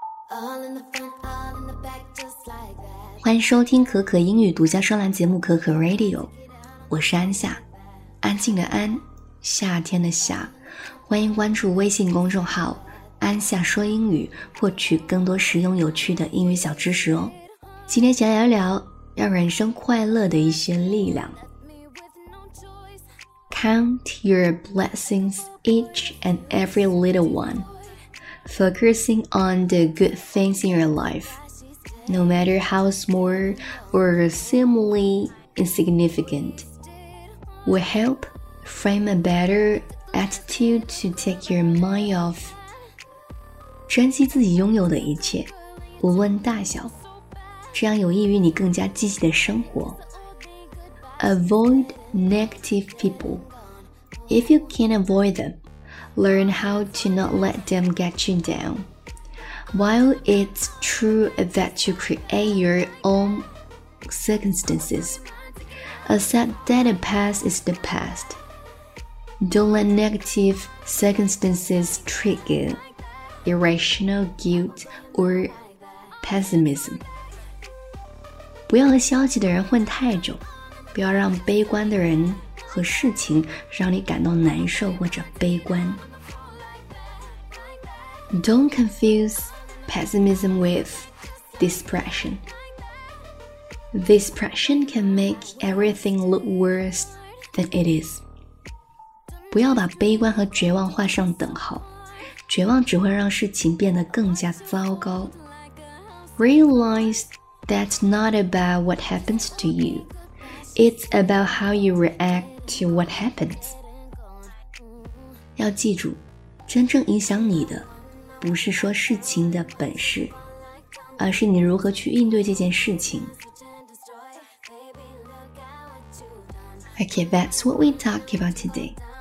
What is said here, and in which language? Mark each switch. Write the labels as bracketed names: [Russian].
[English] All in the front, all in the back, just like that. [Chinese] 欢迎收听可可英语独家专栏节目可可 Radio， 我是安夏，安静的安，夏天的夏。欢迎关注微信公众号安夏说英语，获取更多实用有趣的英语小知识哦。今天想聊一聊让人生快乐的一些力量。 [English] Count your blessings, each and every little one. Focusing on the good things in your life, no matter how small or seemingly insignificant, will help frame a better attitude to take your mind off. [Chinese] 珍惜自己拥有的一切，无论大小，这样有益于你更加积极的生活。 [English] Avoid negative people. If you can avoid them, learn how to not let them get you down. While it's true that you create your own circumstances, accept that the past is the past. Don't let negative circumstances trigger irrational guilt or pessimism. [Chinese] 不要和消极的人混太久，不要让悲观的人和事情让你感到难受或者悲观。 [English] Don't confuse pessimism with depression. Depression can make everything look worse than it is. [Chinese] 不要把悲观和绝望画上等号，绝望只会让事情变得更加糟糕。 [English] Realize that's not about what happens to you. It's about how you react. To what happens. [Chinese] 要记住，真正影响你的不是说事情的本事，而是你如何去应对这件事情。 [English] Okay, that's what we talk about today.